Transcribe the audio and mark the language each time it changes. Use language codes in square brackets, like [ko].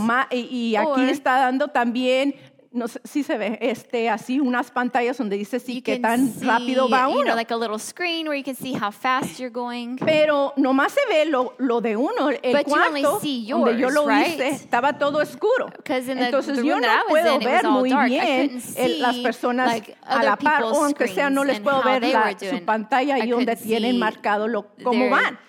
[es] Y aquí está dando también, no sé si se ve, así unas pantallas donde dice sí, qué tan rápido va uno. [en] You know, like a little screen where you can see how fast you're going. [es] Pero nomás se ve lo de uno, el cuarto donde yo lo hice, estaba todo oscuro. Entonces yo no puedo ver muy bien las personas a la par, o aunque sea no les puedo ver su pantalla y donde tienen marcado cómo van.